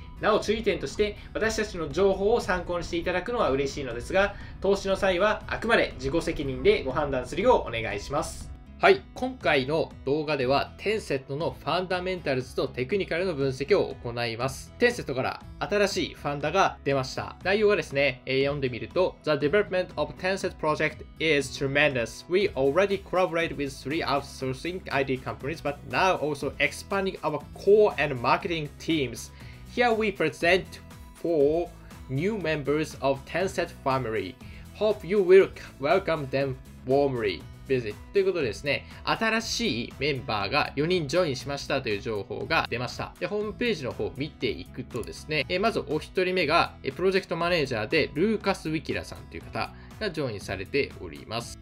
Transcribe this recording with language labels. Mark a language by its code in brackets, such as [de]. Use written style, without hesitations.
[ja] なお注意点として、私たちの情報を参考にしていただくのは嬉しいのですが、投資の際はあくまで自己責任でご判断するようお願いします。はい、今回の動画ではテンセットのファンダメンタルズとテクニカルの分析を行います。テンセットから新しいファンダが出ました。内容はですね、読んでみると、 [en] The development of Tencent project is tremendous. We already collaborate with three outsourcing ID companies, but now also expanding our core and marketing teams. Here we present four new members of Tencent family. Hope you will welcome them warmly [ja] ということでですね、新しいメンバーが4人ジョインしましたという情報が出ました。で、ホームページの方を見ていくとですね、まずお一人目がプロジェクトマネージャーでルーカス・ウィキラさんという方がジョインされております。